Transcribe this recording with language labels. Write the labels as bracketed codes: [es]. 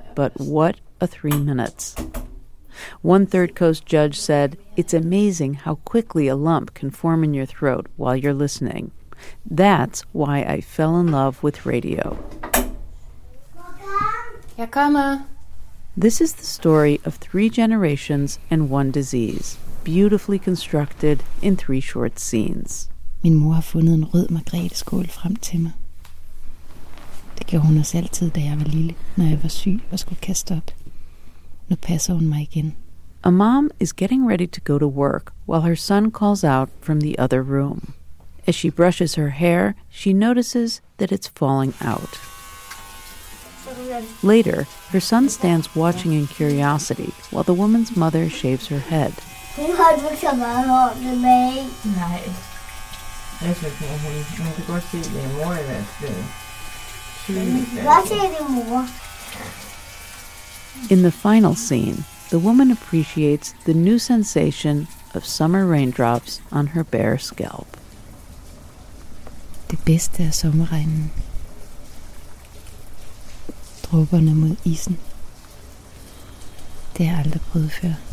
[en] But what a 3 minutes. One Third Coast judge said, it's amazing how quickly a lump can form in your throat while you're listening. That's why I fell in love with radio. This is the story of three generations and one disease, beautifully constructed in three short scenes. [da] Min mor har fundet en rød margretteskål frem til mig. Det gjorde hun også altid, da jeg var lille, når jeg var syg og skulle kaste op. Nu passer hun mig igen. [en] A mom is getting ready to go to work while her son calls out from the other room. As she brushes her hair, she notices that it's falling out. [da] Så du [en] Later, her son stands watching in curiosity while the woman's mother shaves her head. In the final scene, the woman appreciates the new sensation of summer raindrops on her bare scalp. [da] Det bedste er sommerregnen. Dråberne mod isen. Det har jeg aldrig prøvet før.